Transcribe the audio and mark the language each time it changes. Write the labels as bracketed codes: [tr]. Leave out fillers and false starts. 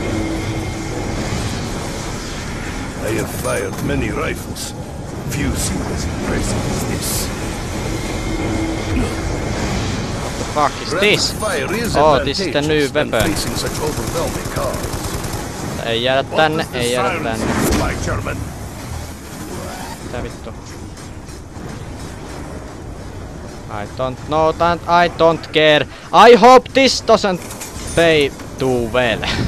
[en] I have fired many rifles. Few seem as impressive as this. What the fuck is this? This is the new weapon. And facing such overwhelming cause. [fi] Ei jäädä tänne, ei jäädä tänne. Mitä vittu? [en] I don't know that I don't care. I hope this doesn't pay too well.